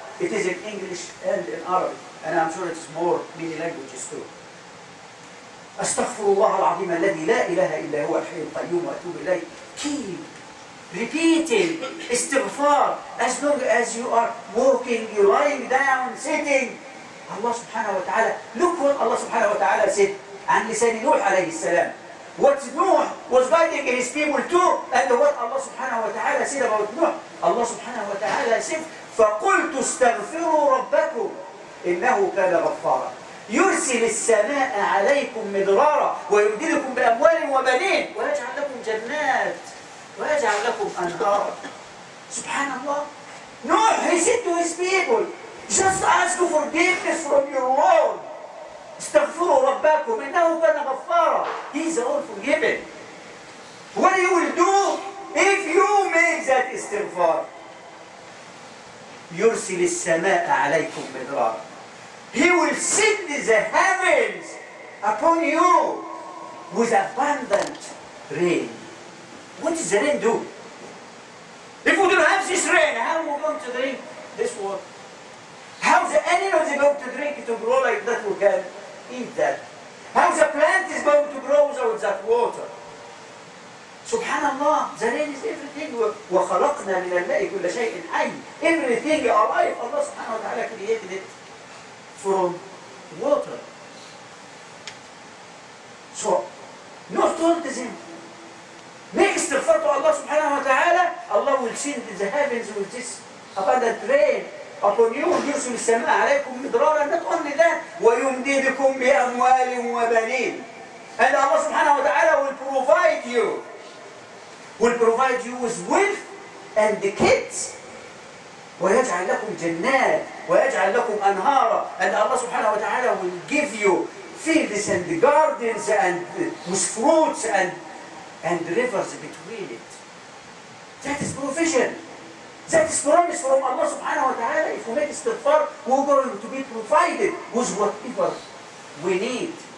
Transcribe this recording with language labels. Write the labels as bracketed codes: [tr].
[en] It is in English and in Arabic, and I'm sure it's more many languages too. [ar] أستغفر الله العظيم الذي لا إله إلا هو الحي القيوم وأتوب إليه. [en] Keep repeating استغفار as long as you are walking, lying down, sitting. Allah subhanahu wa ta'ala, look what Allah subhanahu wa ta'ala said [ar] عن لسان نوح عليه السلام. [en] What Nuh was guiding his people to, and what Allah subhanahu wa ta'ala said about Nuh. Allah subhanahu wa ta'ala said, [ar] فَقُلْتُ اسْتَغْفِرُوا رَبَّكُمْ إِنَّهُ كَانَ غَفَّارًا يُرْسِلِ السَّمَاءَ عَلَيْكُمْ مِدْرَارًا وَيُمْدِدُكُمْ بِأَمْوَالٍ وَبَنِينَ وَيَجْعَلْ لَكُمْ جَنَّاتٍ وَيَجْعَلْ لَكُمْ أَنْهَارًا. سبحان الله. [en] Nuh, he said to his people, just ask for forgiveness from your Lord. [ar] استغفروا ربكم إنه كان غفارا. [en] He's all forgiven. What he will do if you make that استغفار? [ar] يرسل السماء عليكم مدرارا. [en] He will send the heavens upon you with abundant rain. What does the rain do? If we don't have this rain, how are we going to drink this water? How How the animal is going to drink to grow like that? We can eat that. How the plant is going to grow without that water? Subhanallah, the rain is everything. [ar] وَخَلَقْنَا مِنَ الْمَاءِ كُلَّ شَيْءٍ حَيٍّ. [en] Everything alive, Allah subhanahu wa ta'ala created it from water. So, not only is it. Make istighfar to Allah subhanahu wa ta'ala, Allah will send the heavens with this abundant rain upon you, and [ar] يُرْسُلِ السَّمَاءَ عَلَيْكُمْ مِدْرَارًا. [en] Not only that, [ar] وَيُمْدِدِكُمْ بِأَمْوَالٍ وَبَنِينَ. [en] And Allah subhanahu wa ta'ala will provide you. Will provide you with wealth and the kids. [ar] ويجعل لكم جنات ويجعل لكم أنهارا. [en] And Allah subhanahu wa ta'ala will give you fields and gardens and with fruits and rivers between it. That is provision. That is promise from Allah subhanahu wa ta'ala. If we make istighfar, we're going to be provided with whatever we need.